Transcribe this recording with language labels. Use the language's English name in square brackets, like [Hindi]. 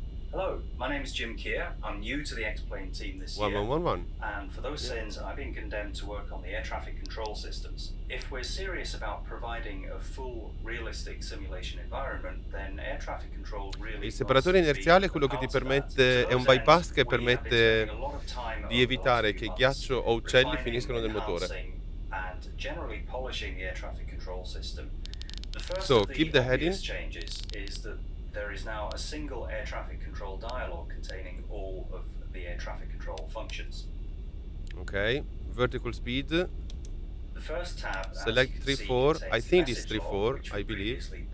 [English] Hello, my name is Jim Keir. I'm new to the X-Plane team this one, year. 1111. And for those sins, I've been condemned to work on the air traffic control systems. If we're serious about providing a full, realistic simulation environment, then air traffic control really. [Italian] Il separatore inerziale è quello che ti permette, è un bypass che permette di evitare che ghiaccio o uccelli finiscano nel motore. [English] And generally polishing the air traffic control system. The first so, keep the heading. Changes is that there is now a single air traffic control dialog containing all of the air traffic control functions. Okay, vertical speed. The first tab, select 3-4, I think it's 3-4, I believe.